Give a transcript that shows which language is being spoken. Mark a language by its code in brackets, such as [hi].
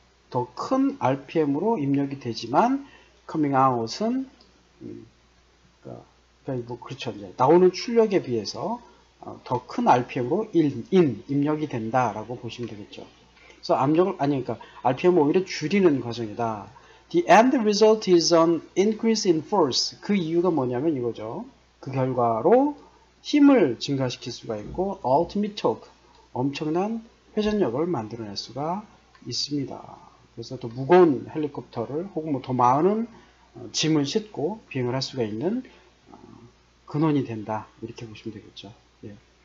[ko] 더큰 RPM으로 입력이 되지만, [en] coming out [ko] 은, 그렇죠. 이제 나오는 출력에 비해서 더큰 RPM으로 입력이 된다라고 보시면 되겠죠. 그래서 압력을, 아니, 그러니까 RPM을 오히려 줄이는 과정이다. [en] The end result is an increase in force. [ko] 그 이유가 뭐냐면 이거죠. 그 결과로 힘을 증가시킬 수가 있고, [en] ultimate torque, [ko] 엄청난 회전력을 만들어낼 수가 있습니다. 그래서 더 무거운 헬리콥터를 혹은 뭐더 많은 짐을 싣고 비행을 할 수가 있는 근원이 된다. 이렇게 보시면 되겠죠. 예.